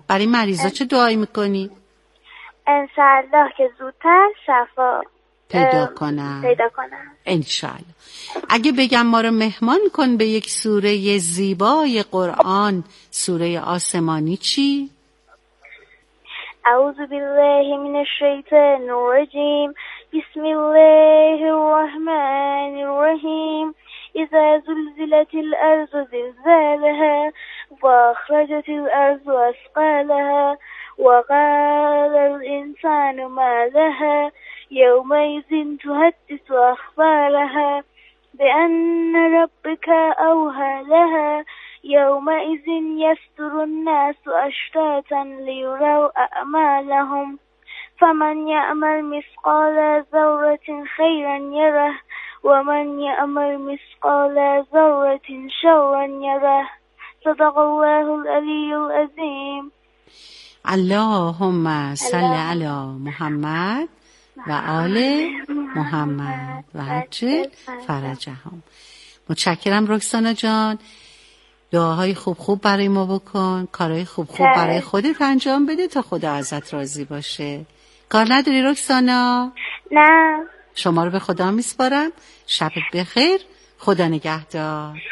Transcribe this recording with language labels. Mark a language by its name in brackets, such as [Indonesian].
[Persian] برای مریضا چه دعایی میکنی؟ انشالله که زودتر شفا پیدا کنم. پیدا کنم انشالله. اگه بگم ما رو مهمان کن به یک سوره زیبای قرآن، سوره آسمانی چی؟ [Arabic] اعوذ بالله من الشیطان الرجیم، بسم الله الرحمن الرحیم، اذا زلزلت الارض زلزالها و اخرجت الارض اثقالها و قال الانسان ما لها يومئذ تحدث أخبارها بأن ربك أوهى لها يومئذ يصدر الناس أشتاتا ليروا أعمالهم فمن يعمل مثقال ذرة خيرا يره ومن يعمل مثقال ذرة شرا يره صدق الله العلي العظيم. اللهم صل على محمد و آل محمد و عجل فرجهم. [Persian] متشکرم رکسانا جان، دعاهای خوب خوب برای ما بکن، کارهای خوب خوب برای خودت انجام بده تا خدا ازت راضی باشه. کار نداری رکسانا؟ نه. شما رو به خدا میسپارم، شبت بخیر، خدا نگهدار.